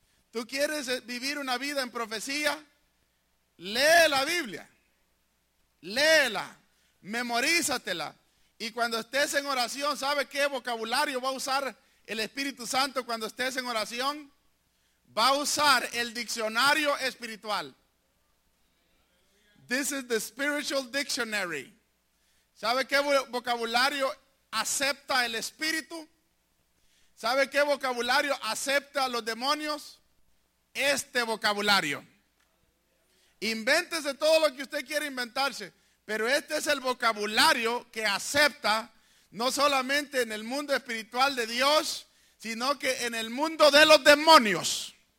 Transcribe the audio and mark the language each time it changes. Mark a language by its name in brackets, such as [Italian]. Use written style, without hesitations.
[Spanish] ¿Tú quieres vivir una vida en profecía? Lee la Biblia. Léela. Memorízatela. Y cuando estés en oración, ¿sabe qué vocabulario va a usar el Espíritu Santo cuando estés en oración? Va a usar el diccionario espiritual. [English] This is the spiritual dictionary. [Spanish] ¿Sabe qué vocabulario acepta el espíritu? ¿Sabe qué vocabulario acepta a los demonios? Este vocabulario. Invéntese todo lo que usted quiera inventarse, pero este es el vocabulario que acepta no solamente en el mundo espiritual de Dios, sino que en el mundo de los demonios.